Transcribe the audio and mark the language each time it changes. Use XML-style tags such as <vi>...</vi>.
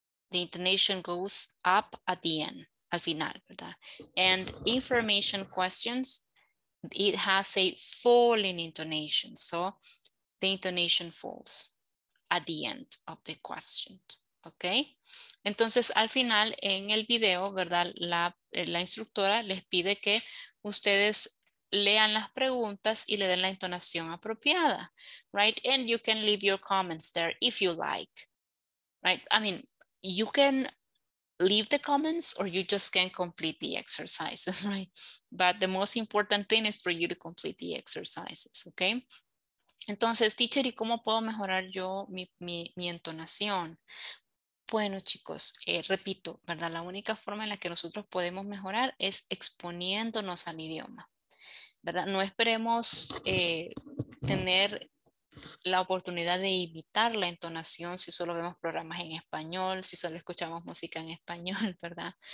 <en>The intonation goes up at the end,</en> <es>al final, ¿verdad?</es> <en>And information questions, it has a falling intonation. So the intonation falls at the end of the question, okay?</en> <es>Entonces, al final, en el video, ¿verdad? La instructora les pide que ustedes lean las preguntas y le den la entonación apropiada, right?</es> <en>And you can leave your comments there if you like, right? I mean, you can leave the comments or you just can complete the exercises, right? But the most important thing is for you to complete the exercises, okay?</en> <es>Entonces, teacher, ¿y cómo puedo mejorar yo mi entonación? Bueno, chicos, repito, ¿verdad? La única forma en la que nosotros podemos mejorar es exponiéndonos al idioma, ¿verdad? No esperemos tener la oportunidad de imitar la entonación si solo vemos programas en español, si solo escuchamos música en español, ¿verdad?</es>